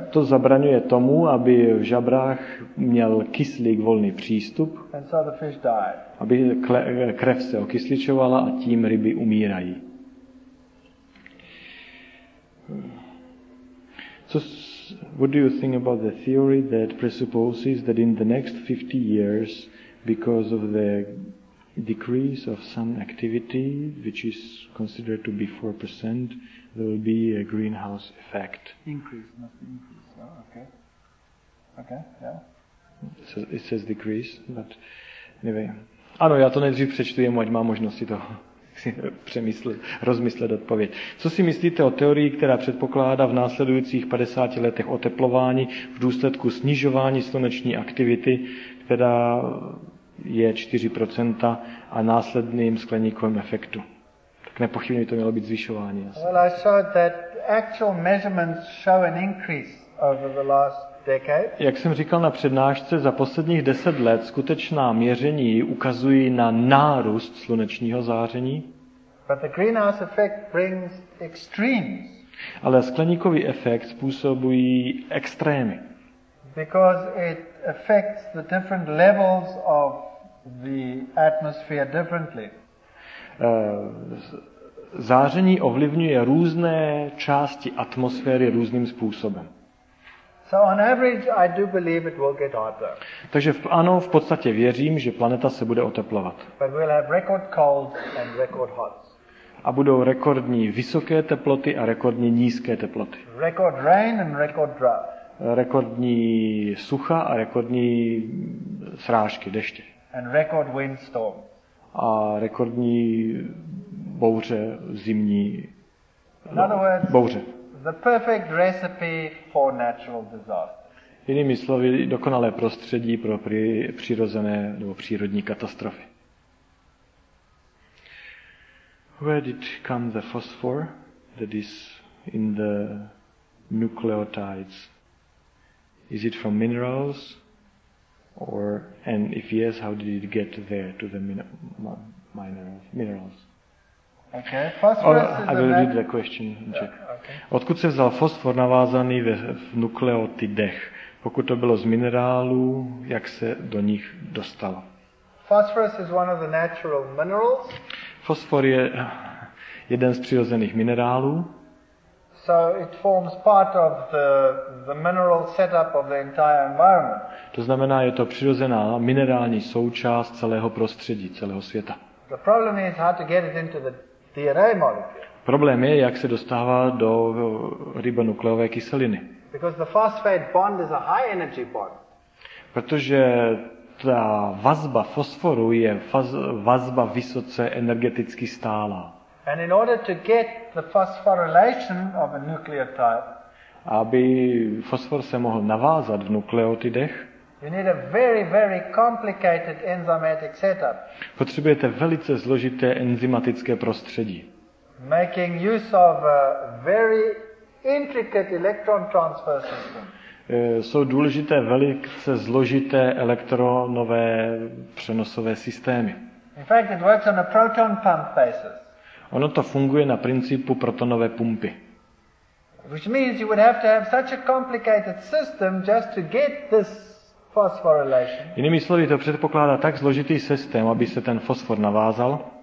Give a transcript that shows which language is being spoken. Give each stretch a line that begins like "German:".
Czech: To zabraňuje tomu, aby v žabrách měl kyslík volný přístup.
English: And so the fish died.
Czech: Aby krev se okysličovala a tím ryby umírají.
English: So, what do you think about the theory that presupposes that in the next 50 years, because of the decrease of some activity, which is considered to be 4%, there will be a greenhouse effect. Increase, not increase. Oh, okay. Okay, yeah. So it says decrease, but anyway.
Czech: Ano, já to nejdřív přečtu, jemu, ať má možnost si to přemyslet, rozmyslet odpověď. Co si myslíte o teorii, která předpokládá v následujících 50 letech oteplování v důsledku snižování sluneční aktivity, která je 4% a následným skleníkovým efektu? Tak nepochybně by to mělo být zvyšování.
English: Well, I saw that actual measurements show an increase over the last decade.
Czech: Jak jsem říkal na přednášce, za posledních 10 let skutečná měření ukazují na nárůst slunečního záření.
English: But the greenhouse effect brings extremes.
Czech: Ale skleníkový efekt způsobují extrémy.
English: Because it affects the different levels of the atmosphere differently.
Czech: Záření ovlivňuje různé části atmosféry různým způsobem.
English: So on average I do believe it will get hotter.
Czech: Takže ano, v podstatě věřím, že planeta se bude oteplovat.
English: But we'll have record cold and record hot.
Czech: A budou rekordní vysoké teploty a rekordně nízké teploty.
English: Record rain and record drought.
Czech: Rekordní sucha a rekordní srážky deště.
English: And record windstorm.
Czech: A rekordní bouře zimní.
English: In other words,
Czech: bouře.
English: The perfect recipe for natural disaster.
Czech: Jinými slovy, dokonalé prostředí pro přirozené nebo přírodní katastrofy.
English: Where did come the phosphor that is in the nucleotides? Is it from minerals? Or, and if yes, how did it get there to the minerals? Okay. I will read the question. Yeah. Okay.
Czech: Odkud se vzal fosfor navázaný v nukleotidech? Pokud to bylo z minerálů, jak se do nich dostalo?
English: Phosphorus is one of the natural minerals.
Czech: Fosfor je jeden z přirozených minerálů.
English: So it forms part of the mineral setup of the entire environment.
Czech: To znamená, je to přirozená minerální součást celého prostředí, celého světa.
English: The problem is how to get it into the DNA molecule.
Czech: Problém je, jak se dostává do ribonukleové kyseliny.
English: Because the phosphate bond is a high energy bond.
Czech: Protože ta vazba fosforu je vazba vysoce energeticky stálá.
English: And in order to get the phosphorylation of a nucleotide,
Czech: aby fosfor se mohl navázat v nukleotidech,
English: you need a very, very complicated enzymatic setup.
Czech: Potřebujete velice zložité enzymatické prostředí.
English: Making use of a very intricate electron transfer system.
Czech: Jsou důležité velice zložité elektronové přenosové systémy.
English: In fact, it works on a proton pump basis.
Czech: Ono to funguje na principu protonové pumpy.
English: Which means you would have to have such a complicated system just to get this.
Czech: Jinými slovy, to předpokládá tak složitý systém, aby se ten fosfor navázal.